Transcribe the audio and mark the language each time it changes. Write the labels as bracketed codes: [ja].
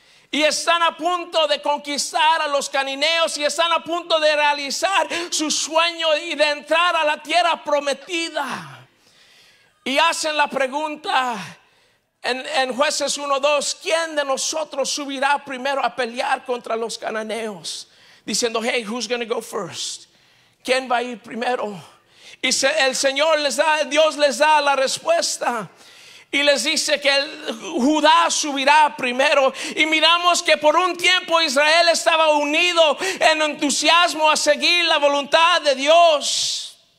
[es] Y están a punto de conquistar a los cananeos, y están a punto de realizar su sueño y de entrar a la tierra prometida. Y hacen la pregunta en jueces 1:2: ¿quién de nosotros subirá primero a pelear contra los cananeos? [en] Diciendo: hey, who's going to go first? [es] ¿Quién va a ir primero? Y el Señor les da, Dios les da la respuesta. Y les dice que el Judá subirá primero. Y miramos que por un tiempo Israel estaba unido en entusiasmo a seguir la voluntad de Dios.